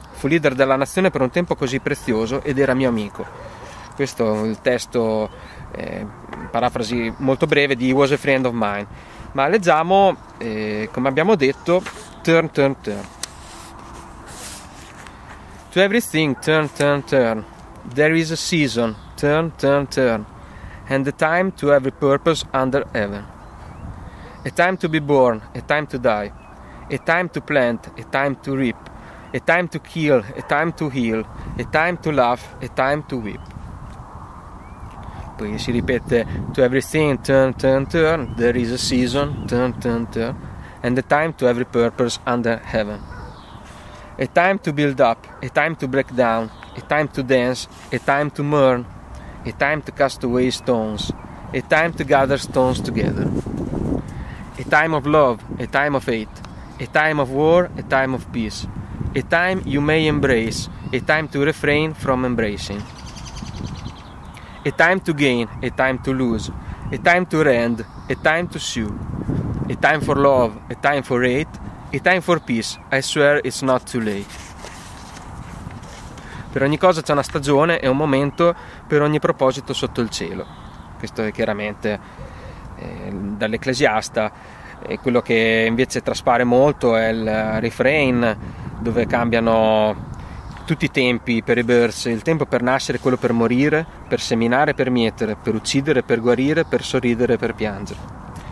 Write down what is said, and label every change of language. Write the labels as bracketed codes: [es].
[it] Fu leader della nazione per un tempo così prezioso ed era mio amico. Questo è il testo, parafrasi molto breve, di He Was a Friend of Mine. Ma leggiamo, come abbiamo detto, Turn, Turn, Turn. [en] To everything, turn, turn, turn. There is a season, turn, turn, turn. And a time to every purpose under heaven. A time to be born, a time to die. A time to plant, a time to reap. A time to kill, a time to heal. A time to laugh, a time to weep. [it] Poi si ripete: [en] to everything, turn, turn, turn. There is a season, turn, turn, turn. And a time to every purpose under heaven. A time to build up, a time to break down. A time to dance, a time to mourn. A time to cast away stones, a time to gather stones together. A time of love, a time of hate, a time of war, a time of peace. A time you may embrace, a time to refrain from embracing. A time to gain, a time to lose, a time to rend, a time to sue. A time for love, a time for hate, a time for peace, I swear it's not too late. [it] Per ogni cosa c'è una stagione e un momento, per ogni proposito sotto il cielo. Questo è chiaramente dall'Ecclesiasta. E quello che invece traspare molto è il refrain, dove cambiano tutti i tempi per i Birds: il tempo per nascere, quello per morire, per seminare, per mietere, per uccidere, per guarire, per sorridere, per piangere.